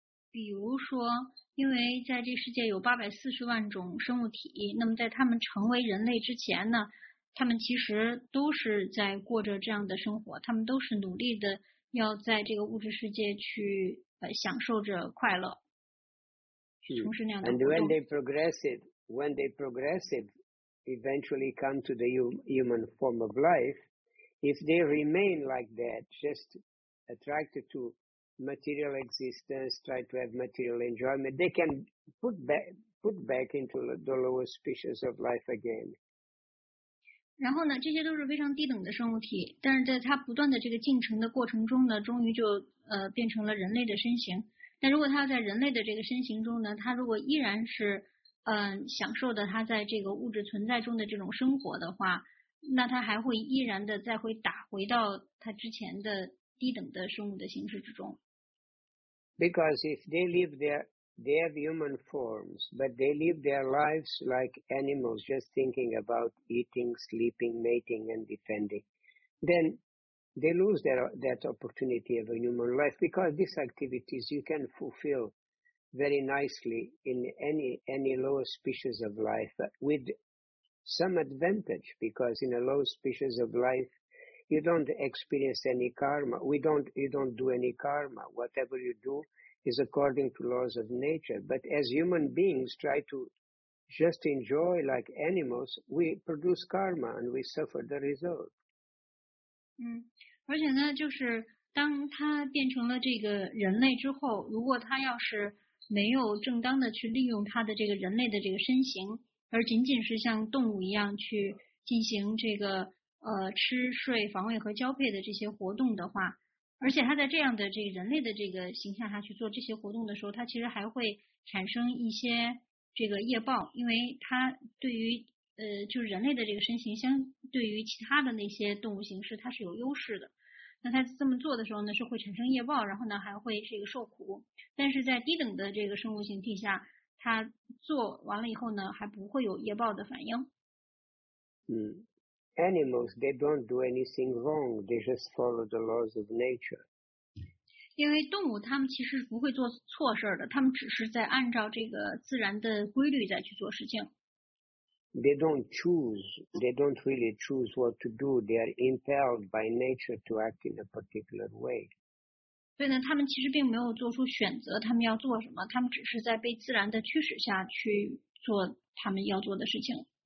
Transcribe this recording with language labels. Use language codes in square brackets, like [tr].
[zh] 比如说，因为在这世界有840万种生物体，那么在他们成为人类之前呢，他们其实都是在过着这样的生活，他们都是努力的要在这个物质世界去享受着快乐，从事那样的活动。 [en] And when they progressive, eventually come to the human form of life. If they remain like that, just attracted to material existence, try to have material enjoyment, they can put back into the lower species of life again. [zh] 然后呢，这些都是非常低等的生物体，但是在它不断的这个进程的过程中呢，终于就变成了人类的身形。但如果它要在人类的这个身形中呢，它如果依然是享受的它在这个物质存在中的这种生活的话，那他还会依然的再会打回到他之前的低等的生物的形式之中。 [en] Because if they live they have human forms, but they live their lives like animals, just thinking about eating, sleeping, mating, and defending, then they lose that opportunity of a human life. Because these activities you can fulfill very nicely in any lower species of life with. Some advantage, because in a low species of life, you don't experience any karma. You don't do any karma. Whatever you do is according to laws of nature. But as human beings try to just enjoy like animals, we produce karma and we suffer the result. [zh] 嗯，而且呢，就是当他变成了这个人类之后，如果他要是没有正当的去利用他的这个人类的这个身形。而仅仅是像动物一样去进行这个吃睡防卫和交配的这些活动的话，而且他在这样的这个人类的这个形象下去做这些活动的时候，他其实还会产生一些这个业报，因为他对于就是人类的这个身形相对于其他的那些动物形式它是有优势的，那他这么做的时候呢是会产生业报，然后呢还会是一个受苦，但是在低等的这个生物形体下。他做完了以后呢，还不会有业报的反应。 [en] Animals, they don't do anything wrong. They just follow the laws of nature. [zh] 因为动物他们其实不会做错事的，他们只是在按照这个自然的规律在去做事情。 [en] They don't choose. They don't really choose what to do. They are impelled by nature to act in a particular way. [zh] 所以呢，他们其实并没有做出选择，他们要做什么，他们只是在被自然的驱使下去做他们要做的事情。